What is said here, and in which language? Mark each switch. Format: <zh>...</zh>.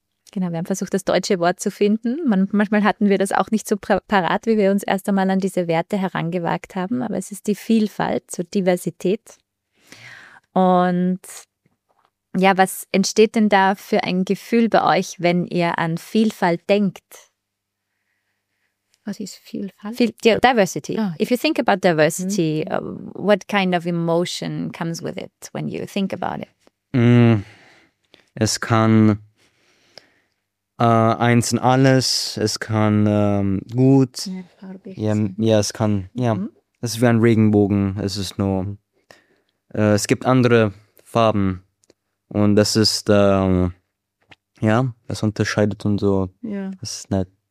<de>Genau, wir haben versucht, das deutsche Wort zu finden. Manchmal hatten wir das auch nicht so parat, wie wir uns erst einmal an diese Werte herangewagt haben. Aber es ist die Vielfalt, so Diversität. Und ja, was entsteht denn da für ein Gefühl bei euch, wenn ihr an Vielfalt denkt? Was ist Vielfalt?</de> <en>Diversity. Oh. If you think about diversity, what kind of emotion comes with it when you think about it?</en> <de>Es kann eins und alles, es kann gut, es kann, es ist wie ein Regenbogen, es ist nur, es gibt andere Farben und das ist, es unterscheidet und so, das ist nett.</de>